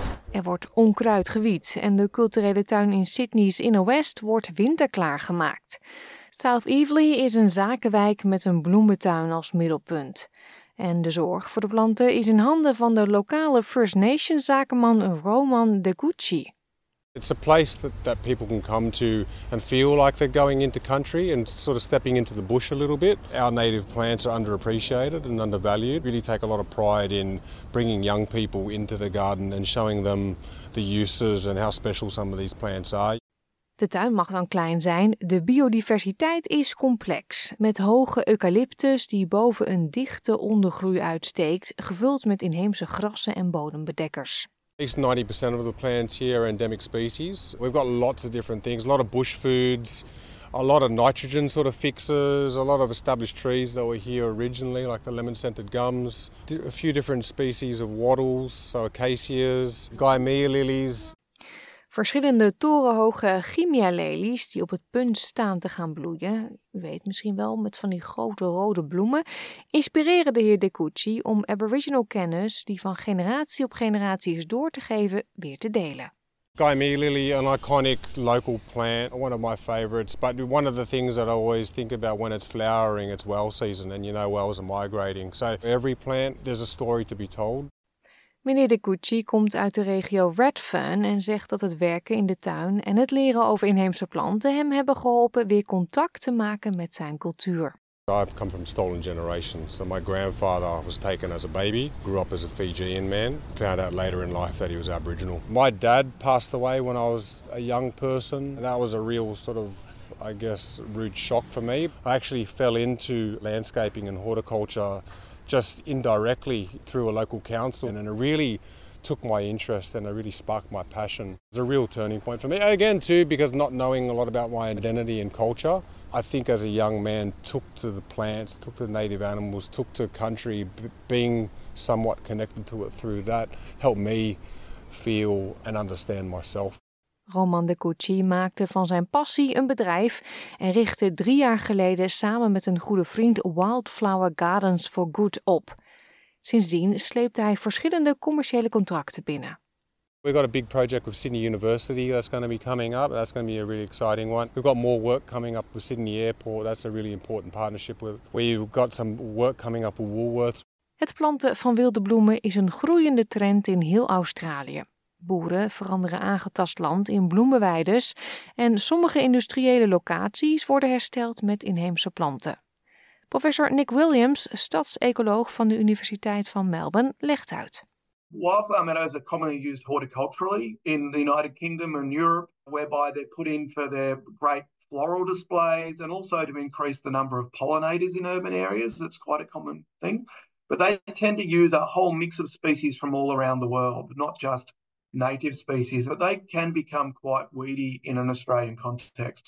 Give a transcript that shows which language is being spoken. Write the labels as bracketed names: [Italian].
[Dutch] Er wordt onkruid gewied en de culturele tuin in Sydney's Inner West wordt winterklaar gemaakt. South Eveleigh is een zakenwijk met een bloementuin als middelpunt. En de zorg voor de planten is in handen van de lokale First Nations zakenman Roman Degucci. [English] It's a place that people can come to and feel like they're going into country and sort of stepping into the bush a little bit. Our native plants are underappreciated and undervalued. Really take a lot of pride in bringing young people into the garden and showing them the uses and how special some of these plants are. [Dutch] De tuin mag dan klein zijn. De biodiversiteit is complex. Met hoge eucalyptus die boven een dichte ondergroei uitsteekt, gevuld met inheemse grassen en bodembedekkers. [English] At least 90% of the plants here are endemic species. We've got lots of different things, a lot of bush foods, a lot of nitrogen sort of fixes, a lot of established trees that were here originally, like the lemon-scented gums, a few different species of wattles, so acacias, gymea lilies. [Dutch] Verschillende torenhoge gymea lilies die op het punt staan te gaan bloeien, u weet misschien wel, met van die grote rode bloemen, inspireren de heer Degucci om Aboriginal kennis die van generatie op generatie is door te geven, weer te delen. [English] Gymea lily, an iconic local plant, one of my favorites, but one of the things that I always think about when it's flowering, it's well season and you know wells are migrating. So every plant, there's a story to be told. [Dutch] Meneer Degucci komt uit de regio Redfern en zegt dat het werken in de tuin en het leren over inheemse planten hem hebben geholpen weer contact te maken met zijn cultuur. [English] I come from stolen generations. So my grandfather was taken as a baby, grew up as a Fijian man, found out later in life that he was Aboriginal. My dad passed away when I was a young person. And that was a real sort of, I guess, rude shock for me. I actually fell into landscaping and horticulture just indirectly through a local council, and it really took my interest and it really sparked my passion. It was a real turning point for me. Again, too, because not knowing a lot about my identity and culture, I think as a young man, took to the plants, took to the native animals, took to country, being somewhat connected to it through that helped me feel and understand myself. [Dutch] Roman Degucci maakte van zijn passie een bedrijf en richtte 3 jaar geleden samen met een goede vriend Wildflower Gardens for Good op. Sindsdien sleepte hij verschillende commerciële contracten binnen. [English] We've got a big project with Sydney University that's going to be coming up. That's going to be a really exciting one. We've got more work coming up with Sydney Airport. That's a really important partnership. We've got some work coming up with Woolworths. [Dutch] Het planten van wilde bloemen is een groeiende trend in heel Australië. Boeren veranderen aangetast land in bloemenweides en sommige industriële locaties worden hersteld met inheemse planten. Professor Nick Williams, stadsecoloog van de Universiteit van Melbourne, legt uit. [English] Wildflower meadows are commonly used horticulturally in the United Kingdom and Europe, whereby they're put in for their great floral displays and also to increase the number of pollinators in urban areas. That's quite a common thing. But they tend to use a whole mix of species from all around the world, not just native species, but they can become quite weedy in an Australian context.